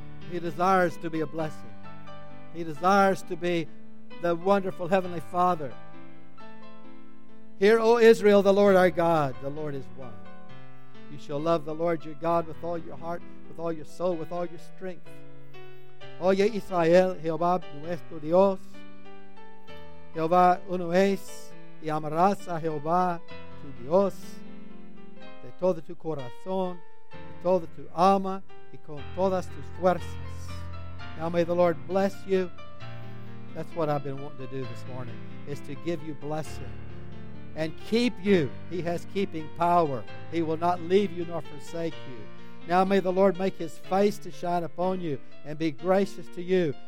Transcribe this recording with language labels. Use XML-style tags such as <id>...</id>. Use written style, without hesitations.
<en>He desires to be a blessing. He desires to be the wonderful Heavenly Father. Hear, O Israel, the Lord our God, the Lord is one. You shall love the Lord your God with all your heart, with all your soul, with all your strength.</en> <es>Oye Israel, Jehová nuestro Dios, Jehová uno es, y amarás a Jehová tu Dios de todo tu corazón, de toda tu alma y con todas tus fuerzas.</es> <en>Now may the Lord bless you. That's what I've been wanting to do this morning, is to give you blessing and keep you. He has keeping power. He will not leave you nor forsake you. Now may the Lord make his face to shine upon you and be gracious to you.</en>